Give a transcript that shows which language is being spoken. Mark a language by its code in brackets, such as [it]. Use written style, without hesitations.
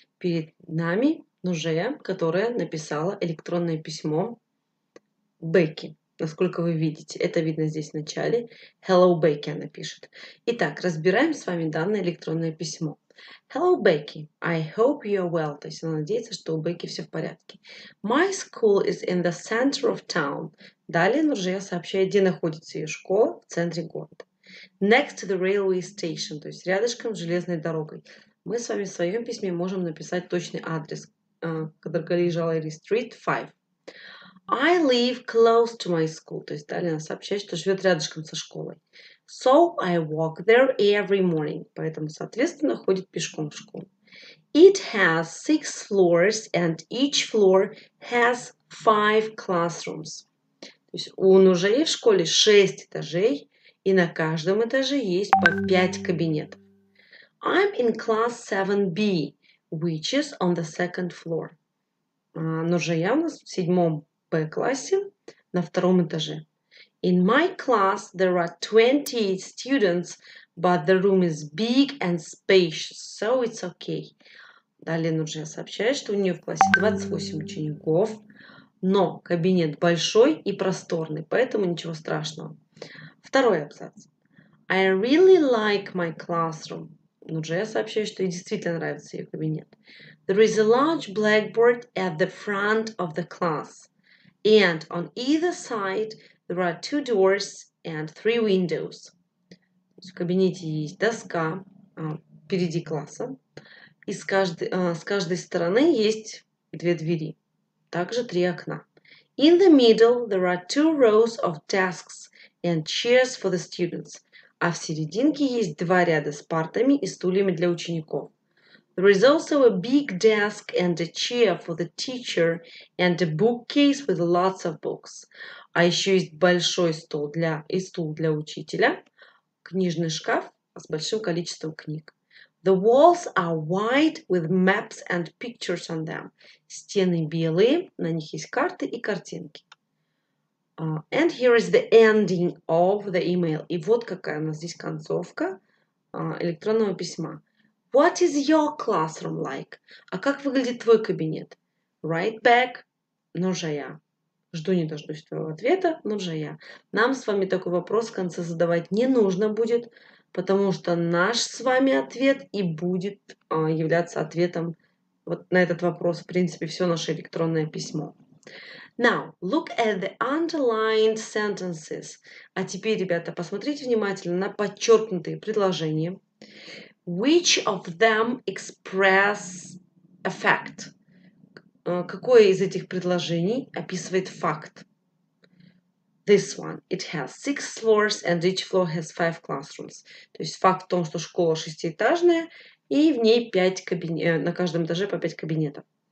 [ru] Перед нами Нуржая, которая написала электронное письмо Бекки. Насколько вы видите, это видно здесь в начале. [en] Hello, Becky, [ru] она пишет. Итак, разбираем с вами данное электронное письмо. [en] Hello, Becky. I hope you're well. [ru] То есть она надеется, что у Бекки все в порядке. [en] My school is in the center of town. [ru] Далее Нуржия сообщает, где находится ее школа в центре города. [en] Next to the railway station, [ru] то есть рядышком с железной дорогой. Мы с вами в своем письме можем написать точный адрес, который лежал или Street 5. [en] I live close to my school. [ru] То есть далее она сообщает, что живет рядышком со школой. [en] So I walk there every morning. [ru] Поэтому, соответственно, ходит пешком в школу. [en] It has 6 floors and each floor has 5 classrooms. [ru] То есть у Нуржаи в школе 6 этажей, и на каждом этаже есть по 5 кабинетов. [en] I'm in class 7B, which is on the second floor. [ru] Нуржаи у нас в 7 Б классе, на втором этаже. [en] In my class there are 28 students, but the room is big and spacious, so it's okay. [ru] Далее Нуржаи сообщает, что у нее в классе 28 учеников, но кабинет большой и просторный, поэтому ничего страшного. Второй абзац. [en] I really like my classroom. [ru] Нуржаи сообщает, что ей действительно нравится ее кабинет. [en] There is a large blackboard at the front of the class. And on either side there are 2 doors and 3 windows. [ru] То есть в кабинете есть доска впереди класса. И с каждой стороны есть 2 двери. Также 3 окна. [en] In the middle there are 2 rows of desks and chairs for the students. [ru] А в серединке есть 2 ряда с партами и стульями для учеников. [en] There is also a big desk and a chair for the teacher and a bookcase with lots of books. [ru] А еще есть большой стол для и стул для учителя, книжный шкаф с большим количеством книг. [en] The walls are white with maps and pictures on them. [ru] Стены белые, на них есть карты и картинки. [en] And here is the ending of the email. [ru] И вот какая у нас здесь концовка электронного письма. [en] What is your classroom like? [ru] А как выглядит твой кабинет? [en] Write back, Нуржая. [ru] Жду не дождусь твоего ответа, Нуржая. Нам с вами такой вопрос в конце задавать не нужно будет, потому что наш с вами ответ и будет являться ответом вот на этот вопрос, в принципе, все наше электронное письмо. [en] Now, look at the underlined sentences. [ru] А теперь, ребята, посмотрите внимательно на подчеркнутые предложения. [en] Which of them express a fact? [ru] Какое из этих предложений описывает факт? [en] This one. It has 6 floors and each floor has 5 classrooms. [ru] То есть факт в том, что школа шестиэтажная и в ней 5 кабинетов, на каждом этаже по 5 кабинетов.